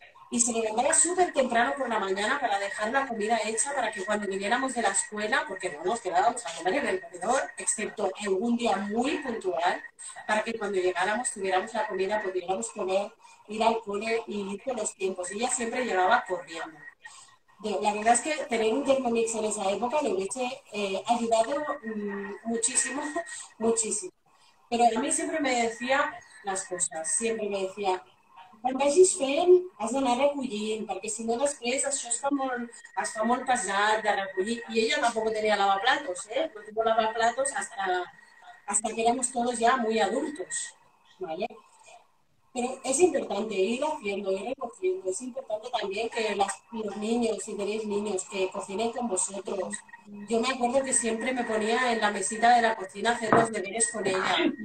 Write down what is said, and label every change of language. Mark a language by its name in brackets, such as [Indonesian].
[Spanish] Y se levantaba súper temprano por la mañana para dejar la comida hecha para que cuando viniéramos de la escuela, porque no nos quedábamos a comer en el comedor, excepto en un día muy puntual, para que cuando llegáramos tuviéramos la comida, pudiéramos comer, ir al cole y ir con los tiempos. Ella siempre llevaba corriendo. La verdad es que tener un Thermomix en esa época le hubiese ayudado muchísimo, muchísimo. Pero a mí siempre me decía las cosas, siempre me decía. [Catalan] Quan vagis fent, has d'anar recollint, perquè si no després això es fa molt pesat de recollir. I ella tampoc tenia lavaplatos, eh? [Spanish] No tenia lavaplatos hasta que éramos todos ya muy adultos, ¿vale? Pero es importante ir haciendo, ir recogiendo. Es importante también que los niños, si tenéis niños, que cocinen con vosotros. Yo me acuerdo que siempre me ponía en la mesita de la cocina a hacer los deberes con ella.